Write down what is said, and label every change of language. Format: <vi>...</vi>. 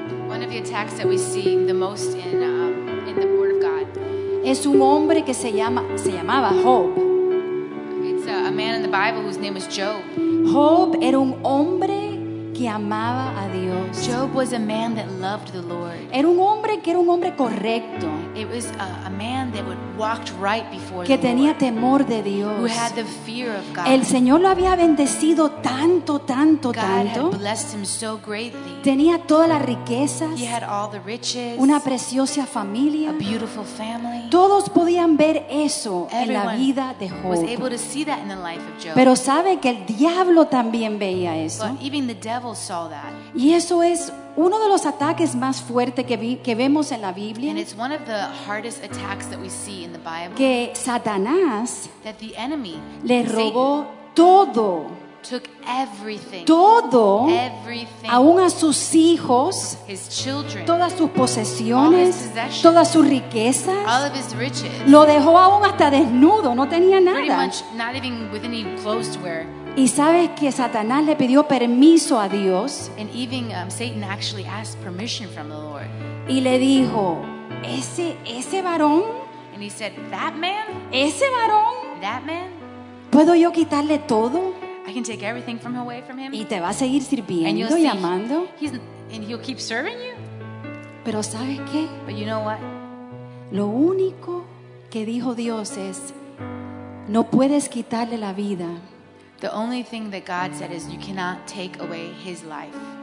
<en>One of the attacks that we see the most in the Word of God.</en> <es>Es un hombre que se llamaba Job.</es> <en>It's a man in the Bible whose name is Job.</en> <es>Job era un hombre que amaba a Dios.</es> <en>Job was a man that loved the Lord.</en> <es>Era un hombre que era un hombre correcto.</es> <en>It was a man that walked right before</en> <es>que tenía temor de Dios.</es> <en>Who had the fear of God.</en> <es>El Señor lo había bendecido tanto, tanto,</es> <en>God</en> <es>tanto.</es> <en>Had blessed him so greatly.</en> <es>Tenía todas las riquezas.</es> <en>He had all the riches.</en> <es>Una preciosa familia.</es> <en>A beautiful family.</en> <es>Todos podían ver eso.</es> <en>Everyone</en> <es>en la vida de Job.</es> <en>Was able to see that in the life of Job.</en> <es>Pero sabe que el diablo también veía eso.</es> <en>But even the devil saw that.</en> <es>Y eso es uno de los ataques más fuertes que vemos en la Biblia.</es> <en>And it's one of the hardest attacks that we see in the Bible.</en> <es>Que Satanás,</es> <en>that the enemy,</en> <es>le robó todo.</es> <en>Took everything.</en> <es>Todo.</es> <en>Everything.</en> <es>Aún a sus hijos.</es> <en>His children.</en> <es>Todas sus posesiones. Todas sus riquezas.</es> <en>All of his riches.</en> <es>Lo dejó aún hasta desnudo. No tenía nada.</es> <en>Pretty much not even with any clothes to wear.</en> <es>Y sabes que Satanás le pidió permiso a Dios.</es> <en>And even Satan actually asked permission from the Lord.</en> <es>Y le dijo, ese varón.</es> <en>And he said, that man.</en> <es>Ese varón.</es> <en>That man.</en> <es>¿Puedo yo quitarle todo?</es> <en>I can take everything from away from him.</en> <es>Y te va a seguir sirviendo.</es> <en>And you'll see,</en> <es>y amando.</es> <en>And he'll keep serving you.</en> <es>Pero ¿sabes qué?</es> <en>But you know what?</en> <es>Lo único que dijo Dios es, no puedes quitarle la vida.</es> <en>The only thing that God said is you cannot take away his life.</en>